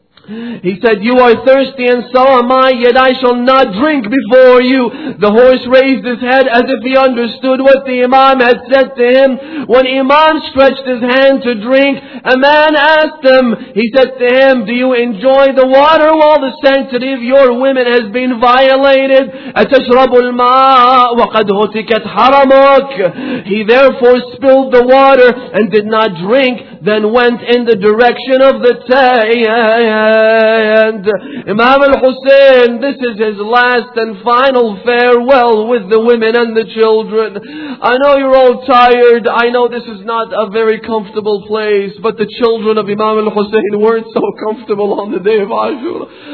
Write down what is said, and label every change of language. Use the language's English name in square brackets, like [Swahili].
[English] He said, you are thirsty and so am I, yet I shall not drink before you. The horse raised his head as if he understood what the Imam had said to him. When Imam stretched his hand to drink, a man asked him, he said to him, do you enjoy the water while the sanctity of your women has been violated? [Arabic] أتشرب الماء وقد هتكت حرمك. [English] He therefore spilled the water and did not drink, then went in the direction of the tent. Imam al-Hussein, this is his last and final farewell with the women and the children. I know you're all tired. I know this is not a very comfortable place, but the children of Imam al-Hussein weren't so comfortable on the day of Ashura.